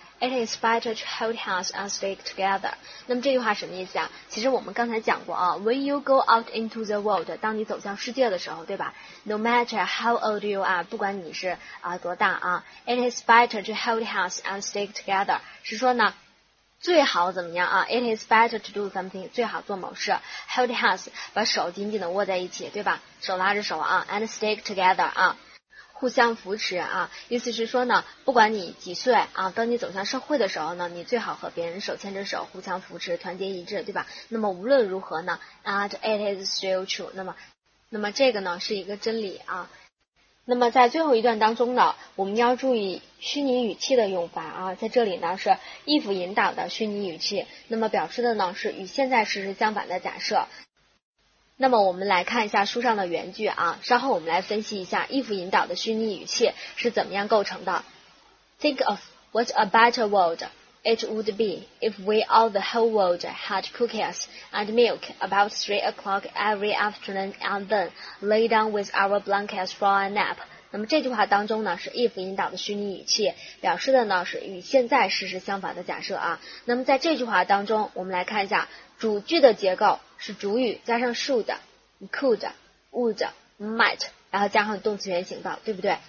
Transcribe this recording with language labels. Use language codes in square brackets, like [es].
[en] It is better to hold hands and stick together. [zh] 那么这句话什么意思啊？其实我们刚才讲过啊 [en] ，When you go out into the world， [zh] 当你走向世界的时候，对吧 [en] ？No matter how old you are， [zh] 不管你是多大啊 [en] ，It is better to hold hands and stick together。 [zh] 是说呢，最好怎么样啊 ？ [en] It is better to do something， [zh] 最好做某事。 [en] Hold hands， [zh] 把手紧紧的握在一起，对吧？手拉着手啊 ， [en] and stick together [zh] 啊。互相扶持啊，意思是说呢，不管你几岁啊，当你走向社会的时候呢，你最好和别人手牵着手，互相扶持，团结一致，对吧？那么无论如何呢 ， [en] and it is still true， [zh] 那么这个呢是一个真理啊。那么在最后一段当中呢，我们要注意虚拟语气的用法啊，在这里呢是 if 引导的虚拟语气，那么表示的呢是与现在事实相反的假设。那么我们来看一下书上的原句啊，稍后我们来分析一下 if 引导的虚拟语气是怎么样构成的。 [en] Think of what a better world it would be if we all the whole world had cookies and milk about 3 o'clock every afternoon and then lay down with our blankets for a nap. [zh] 那么这句话当中呢是 if 引导的虚拟语气，表示的呢是与现在事实相反的假设啊。那么在这句话当中，我们来看一下主句的结构。是主语加上 should, could, would, might, 然后加上动词原形的，对不对？